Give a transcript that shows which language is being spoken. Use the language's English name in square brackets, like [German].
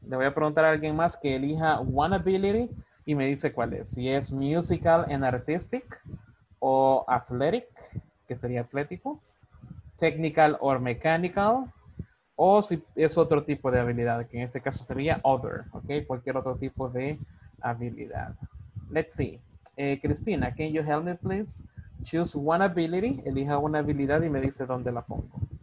[Spanish] Le voy a preguntar a alguien más que elija [English] one ability. [Spanish] Y me dice cuál es, si es [English] musical and artistic, [Spanish] o athletic, que sería atlético, [English] technical or mechanical, [Spanish] o si es otro tipo de habilidad, que en este caso sería other, ok, cualquier otro tipo de habilidad. [English] Let's see, Cristina, can you help me please? Choose one ability, [Spanish] elija una habilidad y me dice dónde la pongo.